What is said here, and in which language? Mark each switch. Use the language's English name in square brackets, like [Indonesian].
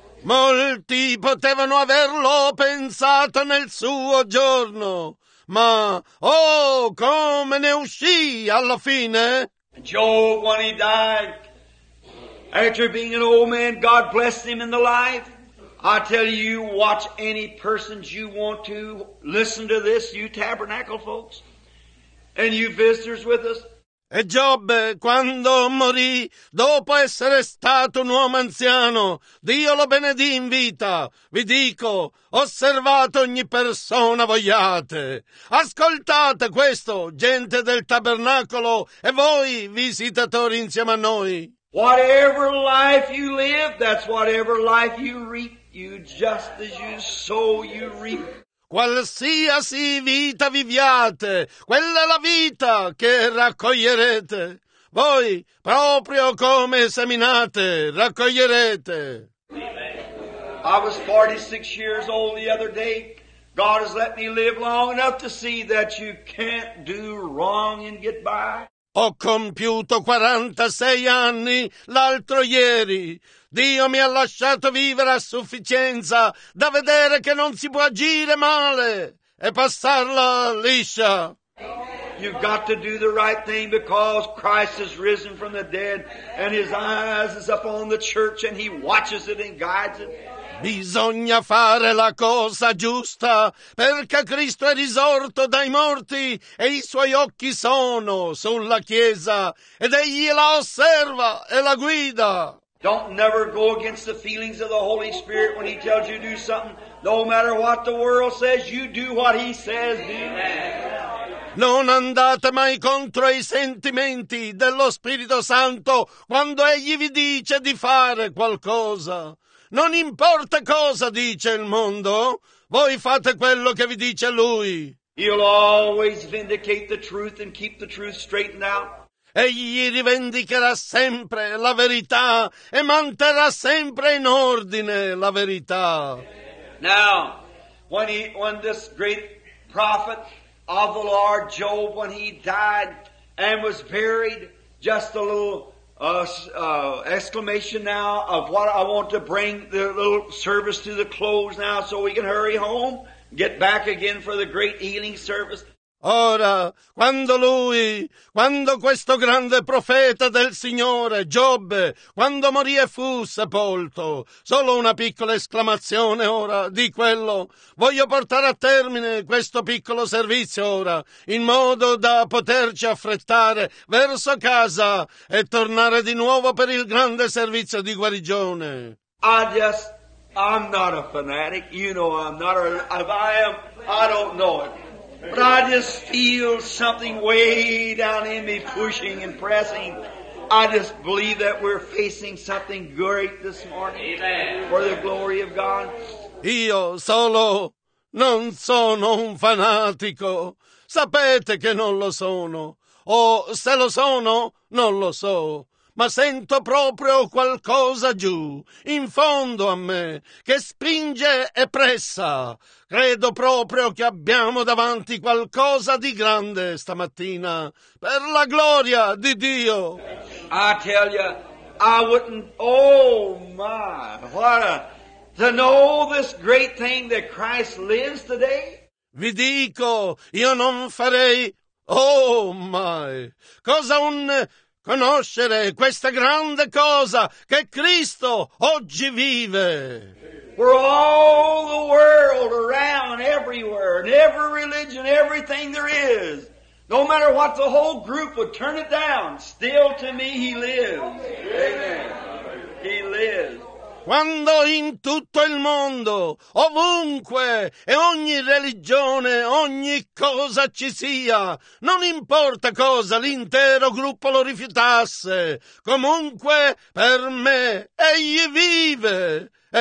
[Italian] Molti potevano averlo pensato nel suo giorno, ma oh, come ne uscì alla fine? [English] Job, when he died, after being an old man, God blessed him in the life. I tell you, watch any persons you want to listen to this, you tabernacle folks, and you visitors with us. [Italian] E Giobbe, quando morì, dopo essere stato un uomo anziano, Dio lo benedì in vita. Vi dico, osservate ogni persona vogliate. Ascoltate questo, gente del tabernacolo, e voi, visitatori insieme a noi. [English] Whatever life you live, that's whatever life you reap. You just as you sow, you reap. [Italian] Qualsiasi vita viviate, quella è la vita che raccoglierete. Voi, proprio come seminate, raccoglierete. [English] I was 46 years old the other day. God has let me live long enough to see that you can't do wrong and get by. [Italian] Ho compiuto 46 anni l'altro ieri. Dio mi ha lasciato vivere a sufficienza da vedere che non si può agire male e passarla liscia. [English] You've got to do the right thing because Christ is risen from the dead and his eyes is upon the church and he watches it and guides it. [Italian] Bisogna fare la cosa giusta perché Cristo è risorto dai morti e i suoi occhi sono sulla Chiesa ed egli la osserva e la guida. [English] Don't never go against the feelings of the Holy Spirit when he tells you to do something. No matter what the world says, you do what he says. [Italian] Non andate mai contro i sentimenti dello Spirito Santo quando egli vi dice di fare qualcosa. Non importa cosa dice il mondo, voi fate quello che vi dice lui. [English] He'll always vindicate the truth and keep the truth straightened out. [Italian] Egli rivendicherà sempre la verità e manterrà sempre in ordine la verità. [English] Now, when this great prophet of the Lord Job when he died and was buried. Just a little exclamation now of what I want to bring the little service to the close now so we can hurry home and get back again for the great healing service. [Italian] Ora, quando questo grande profeta del Signore, Giobbe, quando morì e fu sepolto, solo una piccola esclamazione ora di quello. Voglio portare a termine questo piccolo servizio ora, in modo da poterci affrettare verso casa e tornare di nuovo per il grande servizio di guarigione. [English] I'm not a fanatic, you know I'm not a, if I am, I don't know it. But I just feel something way down in me pushing and pressing. I just believe that we're facing something great this morning. Amen. For the glory of God. [Italian] Io solo non sono un fanatico. Sapete che non lo sono. O se lo sono, non lo so. Ma sento proprio qualcosa giù, in fondo a me, che spinge e pressa. Credo proprio che abbiamo davanti qualcosa di grande stamattina, per la gloria di Dio. [English] I tell you, I wouldn't, oh my, what a, to know this great thing that Christ lives today? [Italian] Vi dico, io non farei, [English] oh my, [Italian] cosa un... conoscere questa grande cosa che Cristo oggi vive. [English] For all the world around, everywhere, in every religion, everything there is, no matter what the whole group would turn it down, still to me he lives. Amen. He lives. [Italian] Quando in tutto il mondo, ovunque, e ogni religione, ogni cosa ci sia, non importa cosa l'intero gruppo lo rifiutasse, comunque per me, egli vive.